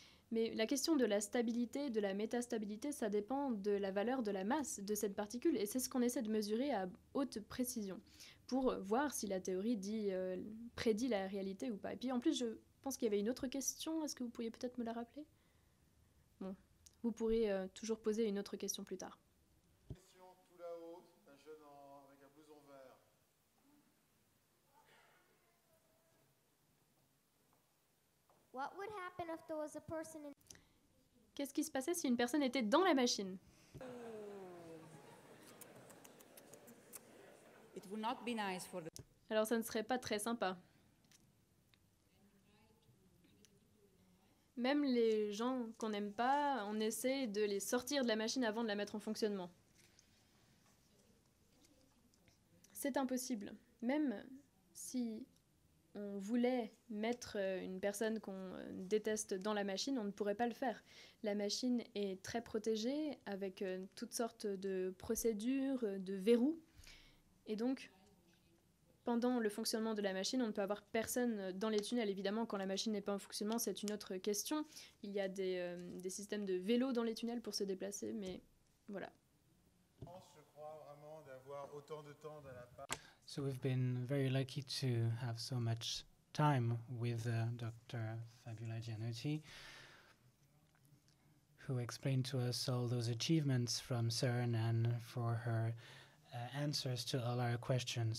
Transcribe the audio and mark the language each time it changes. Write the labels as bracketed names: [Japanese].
[French] Mais la question de la stabilité, de la métastabilité, ça dépend de la valeur de la masse de cette particule, et c'est ce qu'on essaie de mesurer à haute précision, pour voir si la théorie prédit la réalité ou pas. Et puis en plus, je pense qu'il y avait une autre question, est-ce que vous pourriez peut-être me la rappeler ? Vous pourrez toujours poser une autre question plus tard. Question tout là-haut, un jeune avec un blouson vert. [English] What would happen if there was a person in... [French] Qu'est-ce qui se passait si une personne était dans la machine? [English] It would not be nice for the... [French] Alors ça ne serait pas très sympa. Même les gens qu'on n'aime pas, on essaie de les sortir de la machine avant de la mettre en fonctionnement. C'est impossible. Même si on voulait mettre une personne qu'on déteste dans la machine, on ne pourrait pas le faire. La machine est très protégée avec toutes sortes de procédures, de verrous. Et donc, pendant le fonctionnement de la machine, on ne peut avoir personne dans les tunnels. Évidemment, quand la machine n'est pas en fonctionnement, c'est une autre question. Il y a des systèmes de vélo dans les tunnels pour se déplacer, mais voilà. Je crois vraiment d'avoir autant de temps de la part... [English] So we've been very lucky to have so much time with Dr. Fabiola Gianotti, who explained to us all those achievements from CERN and for her answers to all our questions.